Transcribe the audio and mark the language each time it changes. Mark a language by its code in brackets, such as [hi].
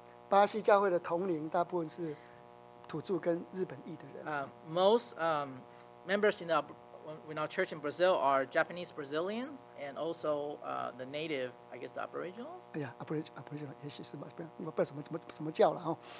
[zh] 巴西教会的同龄大部分是土著跟日本裔的人。 [en] Most members in our church in Brazil are Japanese Brazilians and also the native, I guess, the Aboriginals. [zh] Yeah, Aboriginal, 也许是吧，不知道什么教了哦。